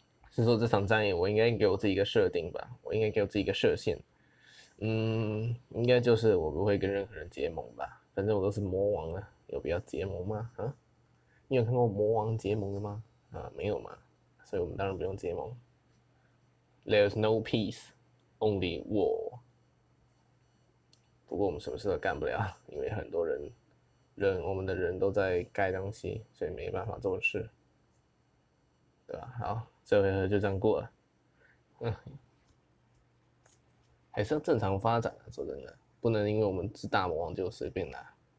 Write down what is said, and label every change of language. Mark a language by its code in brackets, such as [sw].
[zh] 是说这场战役，我应该给我自己一个设定吧？我应该给我自己一个设限。应该就是我不会跟任何人结盟吧？反正我都是魔王了，有必要结盟吗？啊？你有看过魔王结盟的吗？啊，没有嘛，所以我们当然不用结盟。 [en] There's no peace, only war. [zh] 不过我们什么事都干不了，因为很多人，我们的人都在盖东西，所以没办法做事，对吧？好，这回合就这样过了。还是要正常发展啊，说真的，不能因为我们是大魔王就随便拿。